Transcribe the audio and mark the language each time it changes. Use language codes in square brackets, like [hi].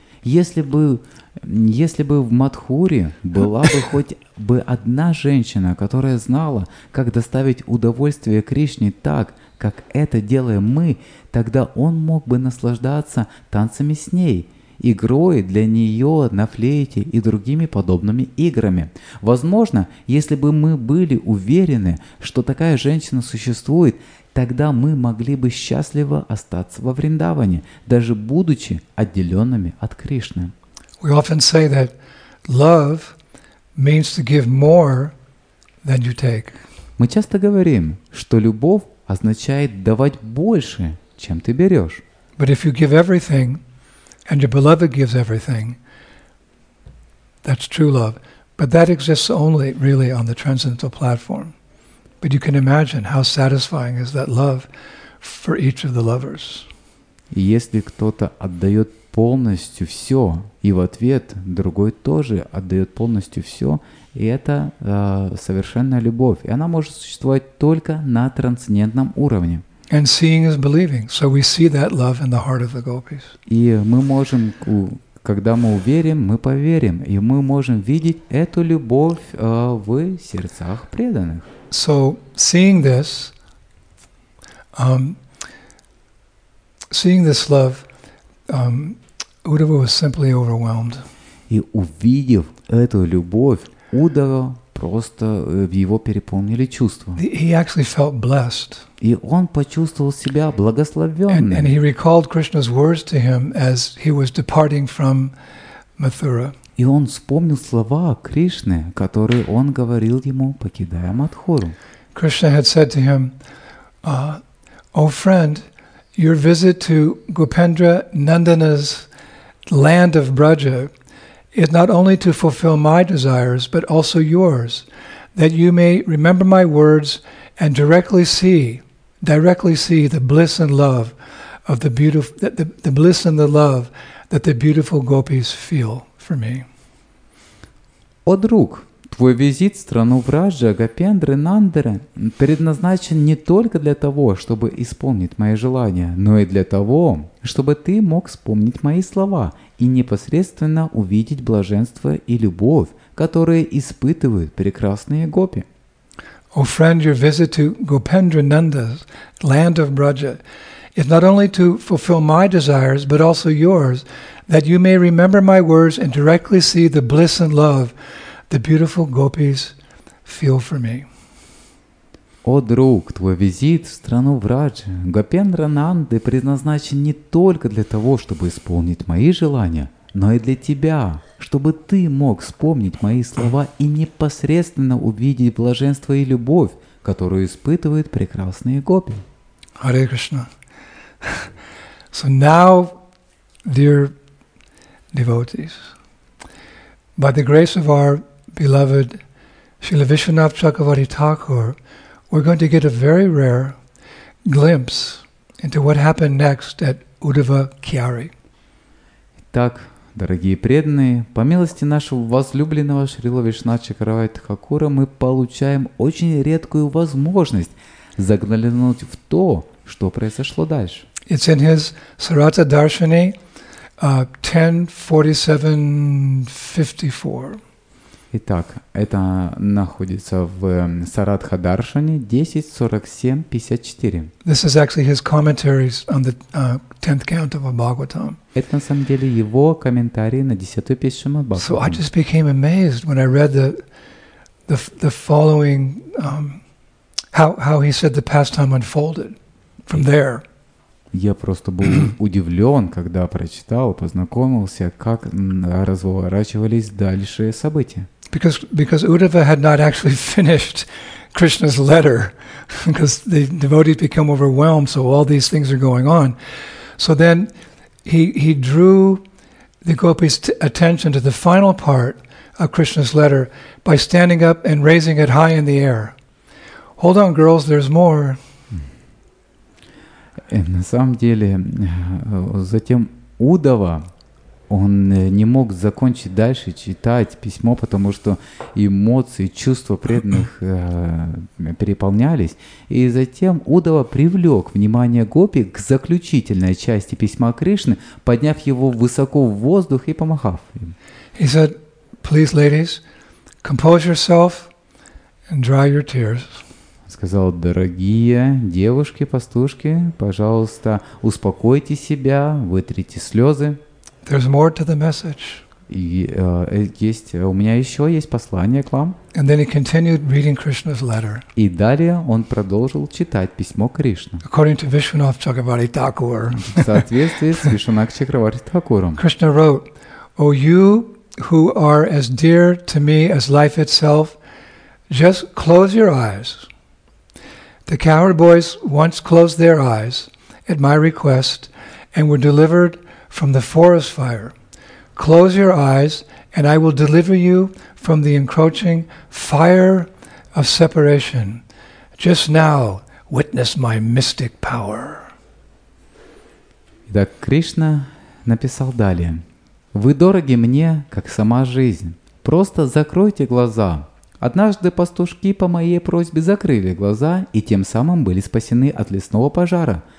[ru] Если бы в Мадхуре была бы хоть бы одна женщина, которая знала, как доставить удовольствие Кришне так, как это делаем мы, тогда он мог бы наслаждаться танцами с ней, игрой для нее на флейте и другими подобными играми. Возможно, если бы мы были уверены, что такая женщина существует, тогда мы могли бы счастливо остаться во Вриндаване, даже будучи отделенными от Кришны. [en] We often say that love means to give more than you take. [ru] Мы часто говорим, что любовь означает давать больше, чем ты берешь. [en] But if you give everything, and your beloved gives everything, that's true love. But that exists only really on the transcendental platform. But you can imagine how satisfying is that love for each of the lovers. [ru] Если кто-то отдает полностью все, и в ответ другой тоже отдает полностью все, и это совершенная любовь. И она может существовать только на трансцендентном уровне. [en] And seeing is believing. So we see that love in the heart of the gopis. [ru] И мы можем, когда мы уверим, мы поверим, и мы можем видеть эту любовь в сердцах преданных. [en] So seeing this, Uddhava was simply overwhelmed. [ru] И увидев эту любовь, Уддхава просто в его переполнили чувства. [en] He actually felt blessed. [ru] И он почувствовал себя благословенным. [en] And he recalled Krishna's words to him as he was departing from Mathura. [ru] И он вспомнил слова Кришны, которые он говорил ему, покидая Мадхуру. [en] Krishna had said to him, "O friend, your visit to Gopendra Nandana's land of Braja is not only to fulfill my desires, but also yours, that you may remember my words and directly see the bliss and love of the beautiful, the bliss and the love that the beautiful gopis feel for me." [ru] О друг, твой визит в страну Враджа, Гопендры, Нандеры предназначен не только для того, чтобы исполнить мои желания, но и для того, чтобы ты мог вспомнить мои слова и непосредственно увидеть блаженство и любовь, которые испытывают прекрасные гопи. [en] O friend, your visit to Gopendra Nanda's land of Braja is not only to fulfill my desires, but also yours, that you may remember my words and directly see the bliss and love the beautiful gopis feel for me. [ru] О, друг, твой визит в страну Враджа, Гопендра Нанды, предназначен не только для того, чтобы исполнить мои желания, но и для тебя, чтобы ты мог вспомнить мои слова и непосредственно увидеть блаженство и любовь, которую испытывают прекрасные гопи. [sa] Hare Krishna. [en] So now, dear devotees, by the grace of our beloved Srila Vishwanath Chakravarti Thakur, we're going to get a very rare glimpse into what happened next at Uddhava Kyari. [ru] Так, Дорогие преданные, по милости нашего возлюбленного Шрила Вишнава Тхакура, мы получаем очень редкую возможность заглянуть в то, что произошло дальше. [en] It's in his Sarata Darshani 10.47.54. [ru] Итак, это находится в Саратха Даршане 10.47.54. [en] This is actually his commentaries on the 10th count of Bhagavatam. [ru] Это на самом деле его комментарии на 10-ю песню Шримад-Бхагаватам. [en] So I just became amazed when I read the following how he said the pastime unfolded from there. [ru] Я просто был удивлен, когда прочитал, познакомился, как разворачивались дальше события. [en] Because Uddhava had not actually finished Krishna's letter, because the devotees become overwhelmed, so all these things are going on. So then he drew the gopis' attention to the final part of Krishna's letter by standing up and raising it high in the air. Hold on, girls, there's more. [ru] На самом деле, затем Удава, он не мог закончить дальше читать письмо, потому что эмоции, чувства преданных переполнялись. И затем Удава привлек внимание гопи к заключительной части письма Кришны, подняв его высоко в воздух и помахав им. [en] He said, "Please, ladies, compose yourself and dry your tears." [ru] Сказал: дорогие девушки, пастушки, пожалуйста, успокойте себя, вытрите слезы. [en] There's more to the message. [ru] У меня еще есть послание к вам. [en] And then he continued reading Krishna's letter. [ru] И далее он продолжил читать письмо Кришны. [en] According to Vishwanath Chakravarti Thakur. [ru] В соответствии с Вишванатх Чакраварти Такуром. [en] Krishna wrote, "O you who are as dear to me as life itself, just close your eyes. The coward boys once closed their eyes at my request and were delivered from the forest fire. Close your eyes and I will deliver you from the encroaching fire of separation. Just now witness my mystic power." [ru] Итак, Кришна написал далее. Вы дороги мне, как сама жизнь. Просто закройте глаза. Однажды пастушки по моей просьбе закрыли глаза и тем самым были спасены от лесного пожара.